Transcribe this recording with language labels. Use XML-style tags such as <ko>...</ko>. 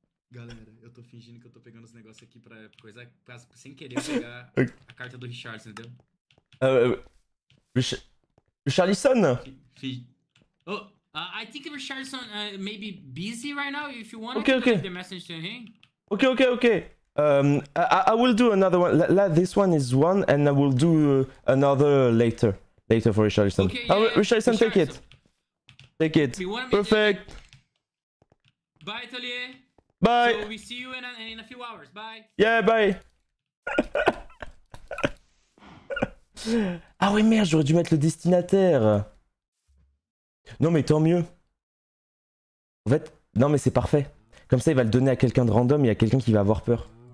<pt>Galera, eu tô fingindo que eu tô pegando os negócios aqui pra coisa quase sem querer pegar a carta do Richard, entendeu?</pt> <en>Richardson? Oh, I think Richardson may be busy right now if you want okay, to okay. Send the message to him. Okay, okay, okay. I will do another one. This one is one and I will do another later. Later for Richardson. Okay, yeah, Richardson, take it. Take it. Perfect. Bye, Atelier. Bye. So we see you in a few hours. Bye. Yeah, bye.</en> <fr>Ah ouais, merde, j'aurais dû mettre le destinataire. Non, mais tant mieux. En fait, non, mais c'est parfait. Comme ça, il va le donner à quelqu'un de random et à quelqu'un qui va avoir peur.</fr>